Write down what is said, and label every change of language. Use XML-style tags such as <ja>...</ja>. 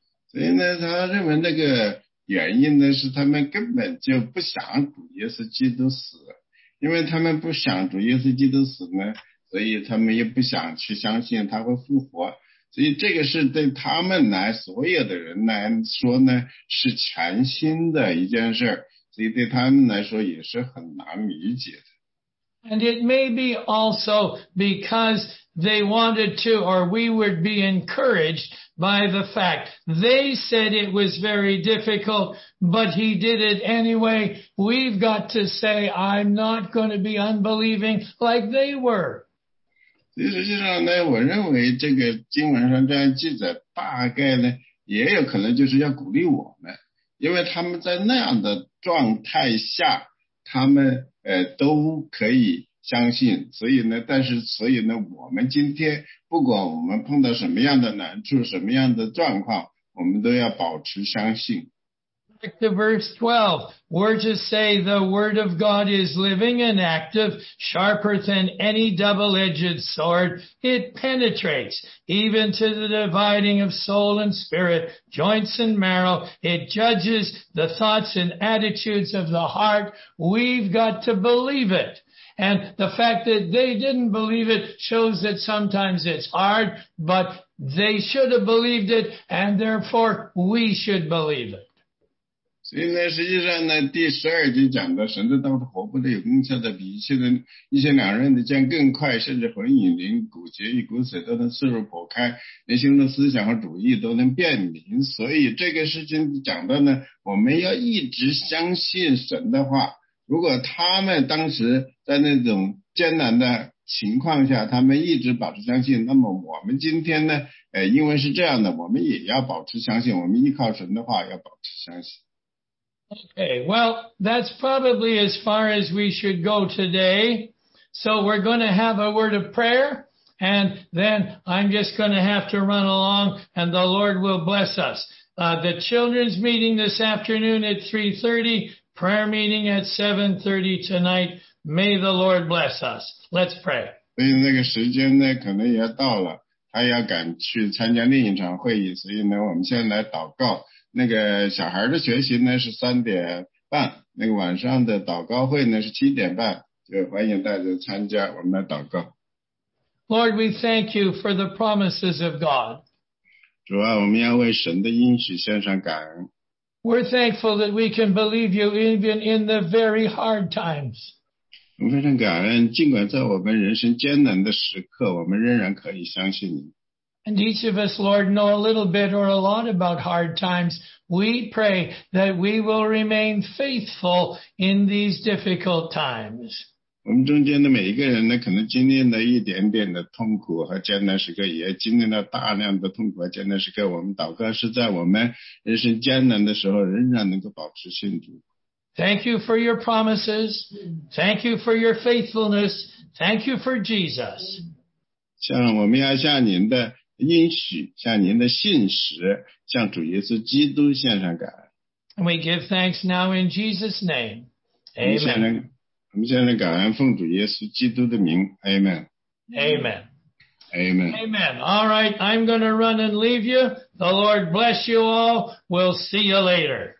<zh>所以呢，他认为那个原因呢，是他们根本就不想主耶稣基督死，因为他们不想主耶稣基督死呢，所以他们也不想去相信他会复活。所以这个是对他们来，所有的人来说呢，是全新的一件事，所以对他们来说也是很难理解的。</zh> <en>And it may be also because they wanted to, or we would be encouraged by the fact. They said it was very difficult, but he did it anyway. We've got to say, I'm not going to be unbelieving like they were.</en> <zh>实际上呢，我认为这个经文上这样记载，大概呢，也有可能就是要鼓励我们，因为他们在那样的状态下，他们都可以相信，所以呢，我们今天不管我们碰到什么样的难处，什么样的状况，我们都要保持相信。</zh> <en>Back to verse 12, we're to say the word of God is living and active, sharper than any double-edged sword. It penetrates even to the dividing of soul and spirit, joints and marrow. It judges the thoughts and attitudes of the heart. We've got to believe it. And the fact that they didn't believe it shows that sometimes it's hard, but they should have believed it, and therefore we should believe it.</en> <zh>所以呢，实际上呢，第十二节讲的神的道是活泼的、有功效的，比一切的一些两刃的剑更快，甚至魂与灵、骨节与骨髓都能刺入剖开，人心的思想和主意都能辨明。所以这个事情讲的呢，我们要一直相信神的话。如果他们当时在那种艰难的情况下，他们一直保持相信，那么我们今天呢，因为是这样的，我们也要保持相信，我们依靠神的话要保持相信。</zh> <en>Okay, well, that's probably as far as we should go today. So we're going to have a word of prayer, and then I'm just going to have to run along, and the Lord will bless us. The children's meeting this afternoon at 3:30, prayer meeting at 7:30 tonight. May the Lord bless us. Let's pray.</en> <zh>所以那个时间呢，可能也到了，他要赶去参加另一场会议，所以呢，我们先来祷告。那个小孩的学习呢是3:30，那个晚上的祷告会呢是7:30，就欢迎大家参加我们的祷告。</zh> <en>Lord, we thank you for the promises of God.</en> <zh>主啊，我们要为神的应许献上感恩。</zh> <en>We're thankful that we can believe you even in the very hard times.</en> <zh>我们非常感恩，尽管在我们人生艰难的时刻，我们仍然可以相信你。</zh> <en>And each of us, Lord, know a little bit or a lot about hard times. We pray that we will remain faithful in these difficult times.</en> <zh>我们中间的每一个人呢，可能经历了一点点的痛苦和艰难时刻，也经历了大量的痛苦和艰难时刻。我们祷告是在我们人生艰难的时候，仍然能够保持信主。</zh> <en>Thank you for your promises. Thank you for your faithfulness. Thank you for Jesus.</en> <zh>像我们要向您的应许，向您的信实，向主耶稣基督献上感恩。</zh> <en>And we give thanks now in Jesus' name. Amen.</en> <zh>我们献上感恩，奉主耶稣基督的名。</zh> <en>Amen. Amen. Amen. Amen. All right, I'm going to run and leave you. The Lord bless you all. We'll see you later.</en>